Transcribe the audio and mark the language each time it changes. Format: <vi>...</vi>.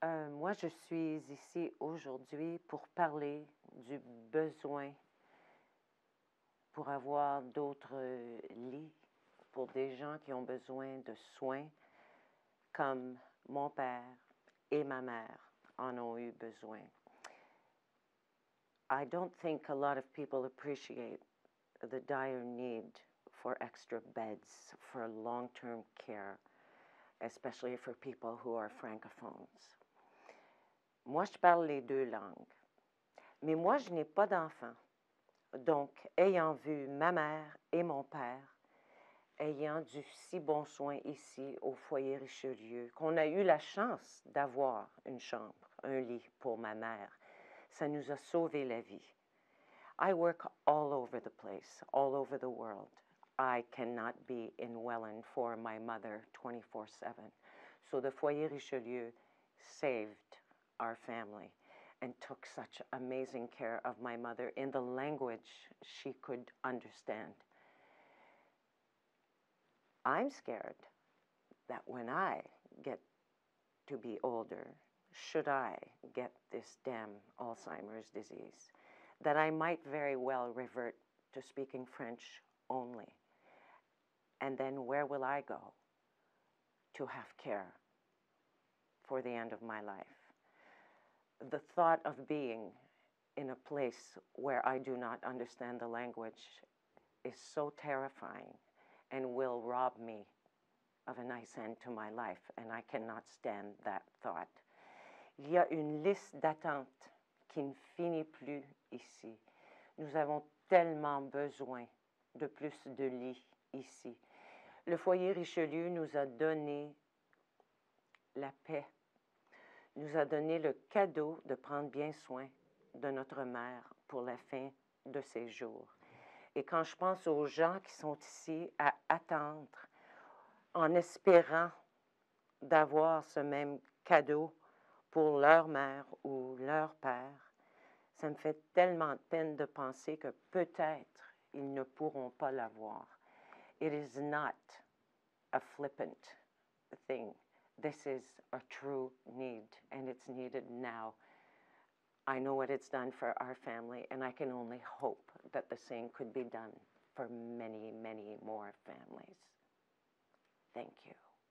<fr>Moi, je suis ici aujourd'hui pour parler du besoin pour avoir d'autres lits pour des gens qui ont besoin de soins comme mon père et ma mère en ont eu besoin.</fr> <en>I don't think a lot of people appreciate the dire need for extra beds for long-term care, especially for people who are francophones.</en> <fr>Moi, je parle les deux langues, mais moi, je n'ai pas d'enfant. Donc, ayant vu ma mère et mon père, ayant du si bon soin ici au foyer Richelieu, qu'on a eu la chance d'avoir une chambre, un lit pour ma mère, ça nous a sauvé la vie.</fr> <en>I work all over the place, all over the world. I cannot be in Welland for my mother 24/7. So the foyer Richelieu saved our family and took such amazing care of my mother in the language she could understand. I'm scared that when I get to be older, should I get this damn Alzheimer's disease, that I might very well revert to speaking French only. And then where will I go to have care for the end of my life? The thought of being in a place where I do not understand the language is so terrifying and will rob me of a nice end to my life, and I cannot stand that thought.</en> <fr>Il y a une liste d'attente qui ne finit plus ici. Nous avons tellement besoin de plus de lits ici. Le foyer Richelieu nous a donné la paix. Nous a donné le cadeau de prendre bien soin de notre mère pour la fin de ses jours. Et quand je pense aux gens qui sont ici à attendre, en espérant d'avoir ce même cadeau pour leur mère ou leur père, ça me fait tellement de peine de penser que peut-être ils ne pourront pas l'avoir.</fr> <en>It is not a flippant thing. This is a true need, and it's needed now. I know what it's done for our family, and I can only hope that the same could be done for many, many more families. Thank you.</en>